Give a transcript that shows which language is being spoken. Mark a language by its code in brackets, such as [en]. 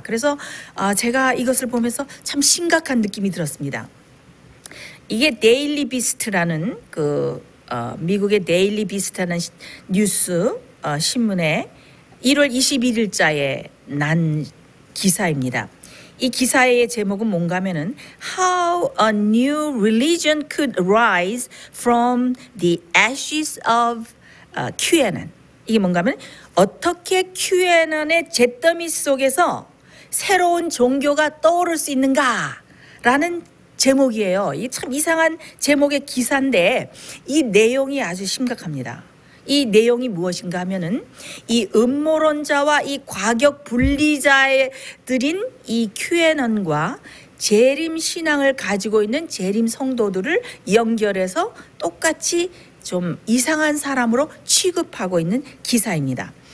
[ko] 그래서 제가 이것을 보면서 참 심각한 느낌이 들었습니다. 이게 데일리 비스트라는 그 미국의 데일리 비스트라는 뉴스 신문에 1월 21일자에 난 기사입니다. 이 기사의 제목은 뭔가 하면은 [en] How a new religion could rise from the ashes of QAnon. [ko] 이게 뭔가 하면 어떻게 QAnon의 잿더미 속에서 새로운 종교가 떠오를 수 있는가라는 제목이에요. 이게 참 이상한 제목의 기사인데 이 내용이 아주 심각합니다. 이 내용이 무엇인가 하면은 이 음모론자와 이 과격 분리자에 들인 이 QAnon과 재림 신앙을 가지고 있는 재림 성도들을 연결해서 똑같이 좀 이상한 사람으로 취급하고 있는 기사입니다.